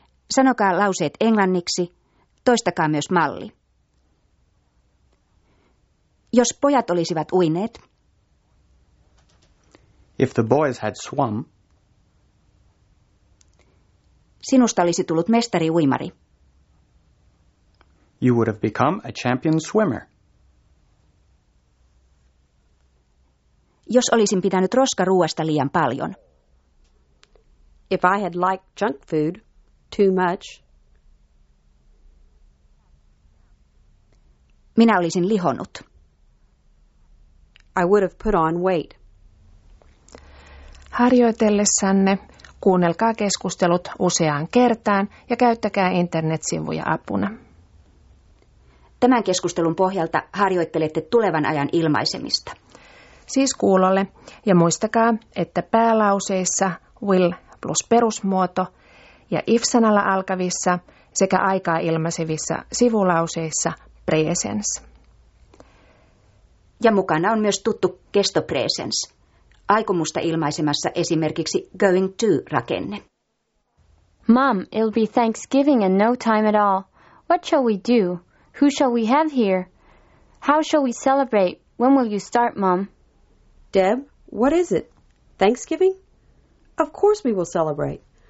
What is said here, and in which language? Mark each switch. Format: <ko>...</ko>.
<fi>Sanokaa lauseet englanniksi. Toistakaa myös malli. Jos pojat olisivat uineet.</fi> <en>If the boys had swum.</en> <fi>Sinusta olisi tullut mestari uimari.</fi> <en>You would have become a champion swimmer.</en> <fi>Jos olisin pitänyt roskaruuasta liian paljon.</fi> <en>If I had liked junk food too much.</en> <fi>Minä olisin lihonut.</fi> <en>I would have put on weight.</en> <fi>Harjoitellessanne kuunnelkaa keskustelut useaan kertaan ja käyttäkää internetsivuja apuna. Tämän keskustelun pohjalta harjoittelette tulevan ajan ilmaisemista. Siis kuulolle ja muistakaa, että päälauseissa will plus perusmuoto ja if-sanalla alkavissa sekä aikaa ilmaisevissa sivulauseissa presens. Ja mukana on myös tuttu kestopresens. Aikomusta ilmaisemassa esimerkiksi going to-rakenne.</fi> <en>Mom, it'll be Thanksgiving in no time at all. What shall we do? Who shall we have here? How shall we celebrate? When will you start, Mom? Deb, what is it? Thanksgiving? Of course we will celebrate.</en>